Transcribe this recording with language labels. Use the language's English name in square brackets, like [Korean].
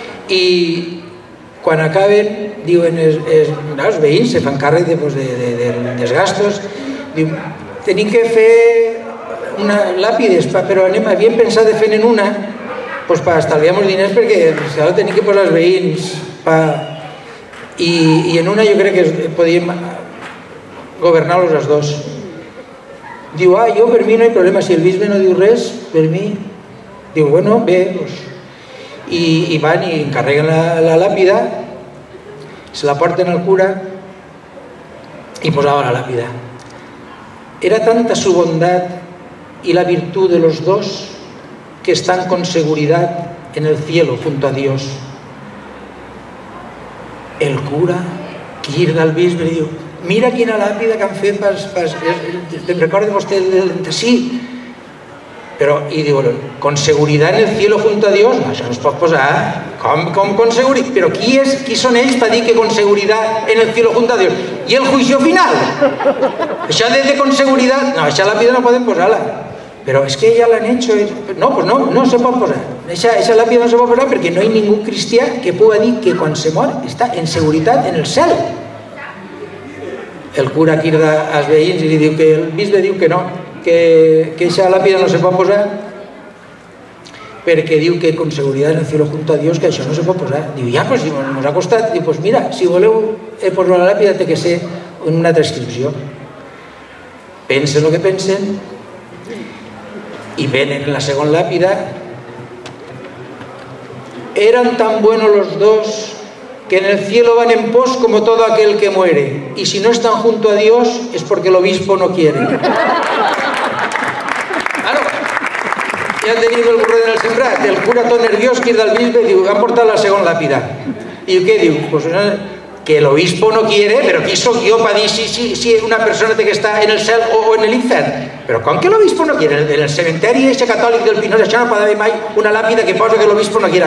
[Catalan] I quan acaben, diuen, els veïns se fan càrrec dels gastos, diuen, tenim que fer làpides, però havíem pensat de fer-ne una per estalviar molts diners, perquè ara hem de posar els veïns, i en una jo crec que podíem governar-los els dos. Diu, ah, jo per mi no hi ha problema, si el bisbe no diu res, per mi. Diu, bueno, bé, doncs. I van i encarreguen la làpida, se la porten al cura i posava la làpida. [Spanish] Era tanta su bondat i la virtud de los dos que están con seguridad en el cielo junto a Dios. [Catalan] El cura quirga al bisbe i diu, mira quina làpida que han fet, te'n recorda vostè? Sí. I diuen, [Spanish] con seguridad en el cielo junto a Dios, [Catalan] això no es pot posar. [Spanish] Com con seguridad? [Catalan] Però qui són ells per dir que [Spanish] con seguridad en el cielo junto a Dios? I el juicio final? [Catalan] Això des de [Spanish] con seguridad? [Catalan] No, això làpida no podem posar-la. Però és que ja l'han hecho. No, pues no, no se pot posar. Això làpida no se pot posar perquè no hi ha ningú cristià que pugui dir que quan se mor està en seguretat en el cel. El cura quirda als veïns i li diu que el bisbe diu que no, que aquesta làpida no se pot posar perquè diu que [Spanish] con seguridad en el cielo junto a Dios [Catalan] que això no se pot posar. Diu, ja, pues si nos ha costat. Diu, pues mira, si voleu posar la làpida té que ser en una transcripció. Pensen el que pensen i venen en la segona làpida. [Spanish] Eran tan buenos los dos que en el cielo van en pos como todo aquel que muere, y si no están junto a Dios es porque el obispo no quiere. [Catalan] Ja han tenit el burro en el sembrat, el cura tot nerviós que és del bisbe, diu, han portat la segona làpida. I què diu? [Spanish] Que l'obispo no quiere, [Catalan] però qui soc jo per dir si una persona té que estar en el cel o en l'infern? Però com que [Spanish] l'obispo no quiere? [Catalan] En el cementeri aquest catòlic del Pinós, això no pot haver mai una làpida que posa que [Spanish] l'obispo no quiera.